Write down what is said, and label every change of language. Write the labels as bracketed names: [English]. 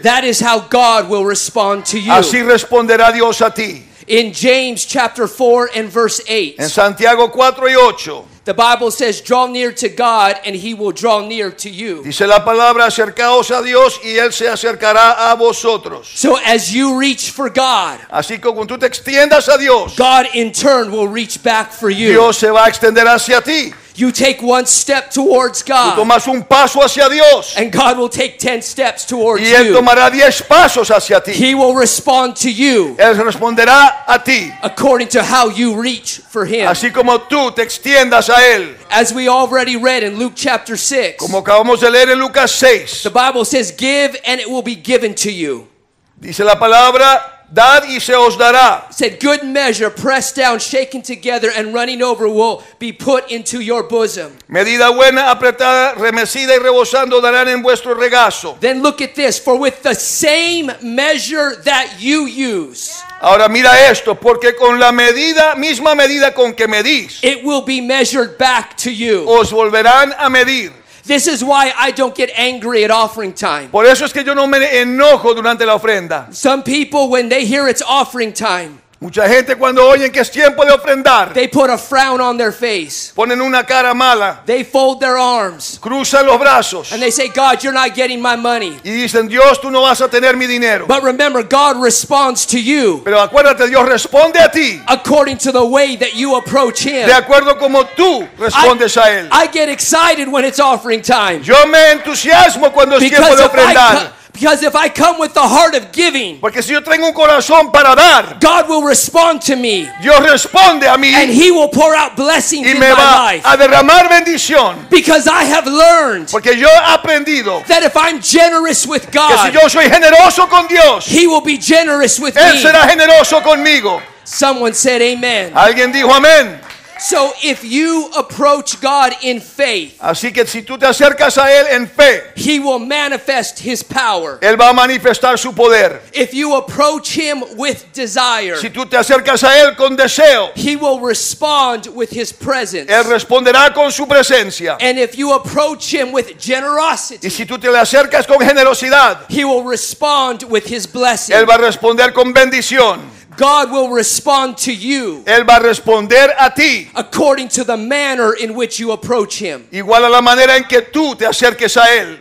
[English] that is how God will respond to you. [Spanish] Así responderá Dios a ti. [English] In James chapter 4 and verse 8. [Spanish] En Santiago 4 y 8. [English] The Bible says, draw near to God and he will draw near to you. [Spanish] Dice la palabra, acercaos a Dios y él se acercará a vosotros. [English] So as you reach for God, [Spanish] así que cuando tú te extiendas a Dios, [English] God in turn will reach back for you. [Spanish] Dios se va a extender hacia ti. [English] You take one step towards God. [Spanish] Tú tomas un paso hacia Dios. [English] And God will take 10 steps towards you. [Spanish] Y él tomará 10 pasos hacia ti. [English] He will respond to you. [Spanish] Él responderá a ti. [English] According to how you reach for him. [Spanish] Así como tú te extiendas a él. [English] As we already read in Luke chapter 6. [Spanish] Como acabamos de leer en Lucas 6. [English] The Bible says, give and it will be given to you. [Spanish] Dice la palabra, dad y se os dará. [English] Said, good measure, pressed down, shaken together, and running over will be put into your bosom. [Spanish] Medida buena, apretada, remecida y rebosando darán en vuestro regazo. [English] Then look at this, for with the same measure that you use. [Spanish] Ahora mira esto, porque con la medida, misma medida con que medís, [English] it will be measured back to you. [Spanish] Os volverán a medir. [English] This is why I don't get angry at offering time. [Spanish] Por eso es que yo no me enojo durante la ofrenda. [English] Some people, when they hear it's offering time, [Spanish] mucha gente cuando oyen que es tiempo de ofrendar, [English] they put a frown on their face. [Spanish] Ponen una cara mala. [English] They fold their arms. [Spanish] Cruzan los brazos. [English] And they say, God, you're not getting my money. [Spanish] Y dicen, Dios, tú no vas a tener mi dinero. [English] But remember, God responds to you. [Spanish] Pero acuérdate, Dios responde a ti. [English] According to the way that you approach him. [Spanish] De acuerdo como tú respondes a él. [English] I get excited when it's offering time. [Spanish] Yo me entusiasmo cuando es tiempo de ofrendar. [English] Because if I come with the heart of giving, [Spanish] porque si yo tengo un corazón para dar, [English] God will respond to me. [Spanish] Dios responde a mí, [English] and he will pour out blessings [Spanish] y me [English] in my [Spanish] va [English] life. [Spanish] A derramar bendición. [English] Because I have learned, [Spanish] porque yo he aprendido, [English] that if I'm generous with God, [Spanish] que si yo soy generoso con Dios, [English] he will be generous with [Spanish] él [English] me. [Spanish] Él será generoso conmigo. [English] Someone said amen. [Spanish] Alguien dijo amén. [English] So if you approach God in faith, [Spanish] así que si tú te acercas a él en fe, [English] he will manifest his power. [Spanish] Él va a manifestar su poder. [English] If you approach him with desire, [Spanish] si tú te acercas a él con deseo, [English] he will respond with his presence. [Spanish] Él responderá con su presencia. [English] And if you approach him with generosity, [Spanish] y si tú te le acercas con generosidad, [English] he will respond with his blessing. [Spanish] Él va a responder con bendición. [English] God will respond to you. [Spanish] Él va a responder a ti. [English] According to the manner in which you approach him. [Spanish] Igual a la manera en que tú te acerques a él.